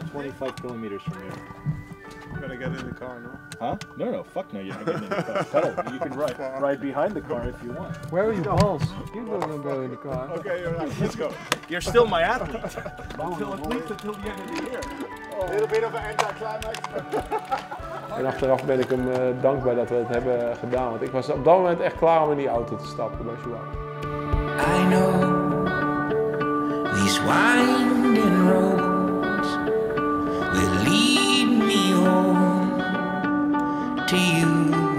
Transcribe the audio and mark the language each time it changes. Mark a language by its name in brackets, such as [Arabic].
[English] About 25 kilometers from here. Gonna get in the car, no? Huh? No, fuck no, you're not getting in the car. You can ride right behind the car if you want. Where are your balls? You don't want to go in the car. Okay, you're right. Let's go. You're still my athlete. Until the end of the year. [Dutch] En achteraf ben ik hem dankbaar dat we het hebben gedaan, want ik was op dat moment echt klaar om in die auto te stappen bij Joao. [English] I know these winding roads will lead me home to you.